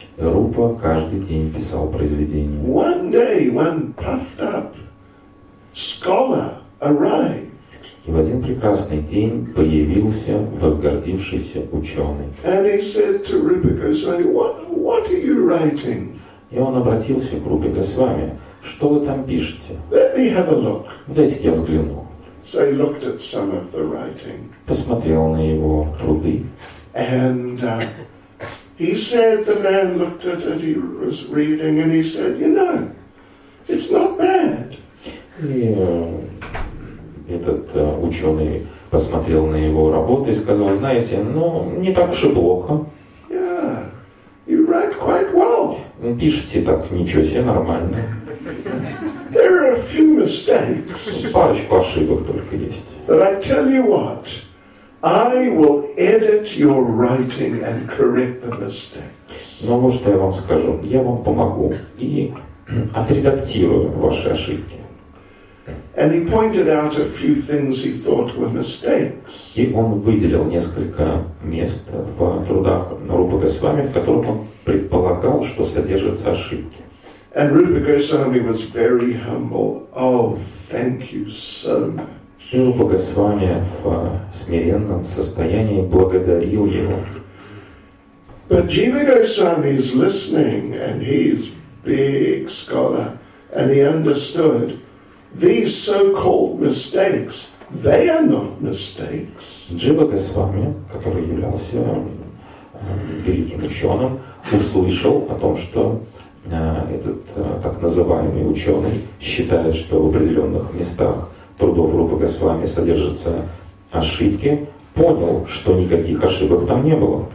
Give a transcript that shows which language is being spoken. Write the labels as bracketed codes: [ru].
[ru] Рупа каждый день писал произведения. [en] One day, one puffed up scholar arrived. [ru] И в один прекрасный день появился возгордившийся ученый. [en] And he said to Rupa Goswami, what are you writing? [ru] И он обратился к Рупе Госвами, что вы там пишете? [en] Let me have a look. [ru] Дайте я взгляну. [en] So he looked at some of the writing. [ru] Посмотрел на его труды. [en] And he said, the man looked at it, he was reading, and he said, you know, it's not bad. [ru] И этот ученый посмотрел на его работы и сказал, знаете, ну, не так уж и плохо. [en] Yeah, you write quite well. [ru] Пишите так, ничего себе, нормально. [en] There are a few mistakes. [ru] Парочку ошибок только есть. [en] But I tell you what, I will edit your writing and correct the mistakes. [ru] Но вот что я вам скажу, я вам помогу и отредактирую ваши ошибки. [en] And he pointed out a few things he thought were mistakes. [ru] И он выделил несколько мест в трудах Рупы Госвами, в которых он предполагал, что содержатся ошибки. [en] And Rupa Goswami was very humble. Oh, thank you so much. [ru] Rupa Goswami в смиренном состоянии благодарил его. [en] But Jiva Goswami is listening, and he's big scholar, and he understood these so-called mistakes. They are not mistakes. [ru] Jiva Goswami, который являлся великим ученым, услышал о том, что этот так называемый ученый считает, что в определенных местах трудов Рупы Госвами содержатся ошибки, понял, что никаких ошибок там не было.